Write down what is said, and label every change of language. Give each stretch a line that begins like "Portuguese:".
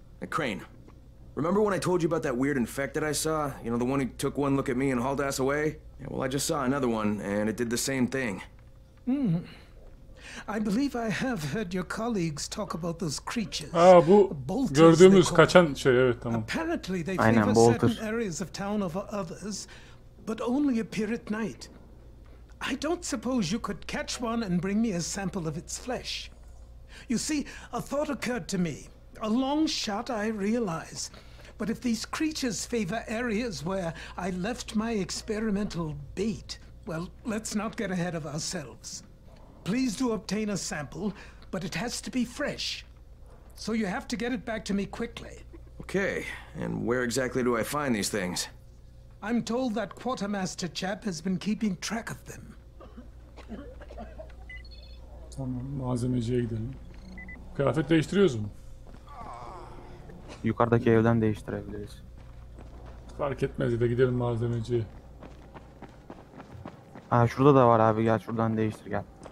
English: Crane, remember when I told you about that weird infected I saw? You know, the one who took one look at me and hauled ass away? Yeah, well, I just saw another one, and it did the same thing. Hmm. I believe I have heard your colleagues talk about those creatures.
Turkish: Aa, bu Bolters, gördüğümüz kaçan şey, evet tamam.
English: Apparently they favor certain areas of town over others, but only appear at night. I don't suppose you could catch one and bring me a sample of its flesh. You see, a thought occurred to me. A long shot, I realize. But if these creatures favor areas where I left my experimental bait, well, let's not get ahead of ourselves. Please do obtain a sample, but it has to be fresh. So you have to get it back to me quickly. Okay, and where exactly do I find these things? I'm told that quartermaster chap has been keeping track of them.
Turkish: Tamam, malzemeciye gidelim. Kıyafet değiştiriyoruz mu? Yukarıdaki evden değiştirebiliriz. Fark etmez de gidelim malzemeciye. Aa, şurada da var abi, gel şuradan değiştir gel.